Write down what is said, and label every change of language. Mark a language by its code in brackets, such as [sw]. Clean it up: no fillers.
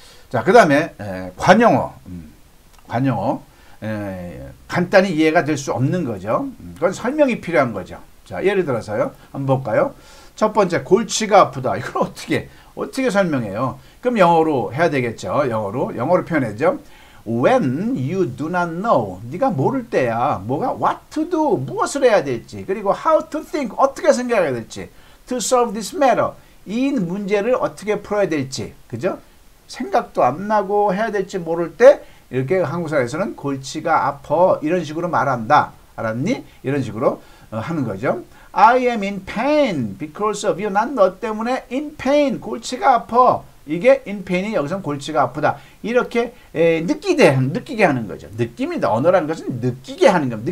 [ko] 자, 그 다음에 관용어. 관용어. 간단히 이해가 될 수 없는 거죠. 그건 설명이 필요한 거죠. 자, 예를 들어서요. 한번 볼까요? 첫 번째, 골치가 아프다. 이걸 어떻게 설명해요? 그럼 영어로 해야 되겠죠. 영어로 표현해야죠. [en] When you do not know, [ko] 네가 모를 때야. 뭐가 [en] what to do, [ko] 무엇을 해야 될지. 그리고 [en] how to think, [ko] 어떻게 생각해야 될지. [en] To solve this matter, [ko] 이 문제를 어떻게 풀어야 될지. 그죠? 생각도 안 나고 해야 될지 모를 때 이렇게 한국사에서는 골치가 아파 이런 식으로 말한다. 알았니? 이런 식으로 하는 거죠. [en] I am in pain because of you. [ko] 난 너 때문에 in pain, 골치가 아파. 이게 in pain이 여기서 골치가 아프다. 이렇게 느끼게 하는 거죠. 느낌이다. 언어라는 것은 느끼게 하는 겁니다.